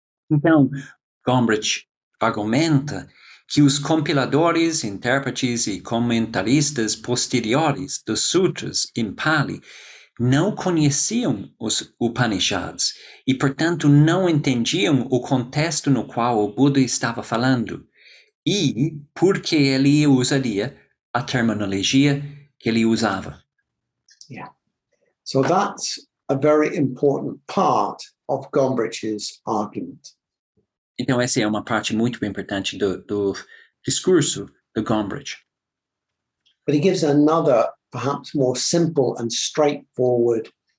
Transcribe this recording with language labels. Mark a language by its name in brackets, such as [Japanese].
[Portuguese] Então, Gombrich argumenta que os compiladores, intérpretes e comentaristas posteriores dos sutras em Pali não conheciam os Upanishads e, portanto, não entendiam o contexto no qual o Buda estava falando e por que ele usaria a terminologia que ele usava. [English] Yeah. So that's a very important part of Gombrich's argument. [Portuguese] Então, essa é uma parte muito importante do discurso do Gombrich. [English] But he gives another, perhaps more simple and straightforward